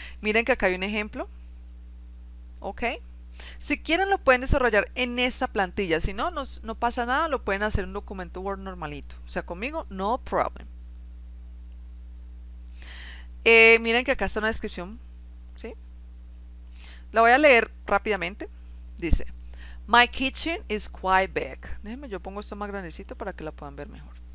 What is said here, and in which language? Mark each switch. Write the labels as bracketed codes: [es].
[es] Miren que acá hay un ejemplo. ¿Ok? Si quieren, lo pueden desarrollar en esta plantilla. Si no, no pasa nada, lo pueden hacer en un documento Word normalito. O sea, conmigo, [en] no problem. [es] Miren que acá está una descripción. ¿Sí? La voy a leer rápidamente. [en] Dice: My kitchen is quite big. [es] Déjenme, yo pongo esto más grandecito para que la puedan ver mejor.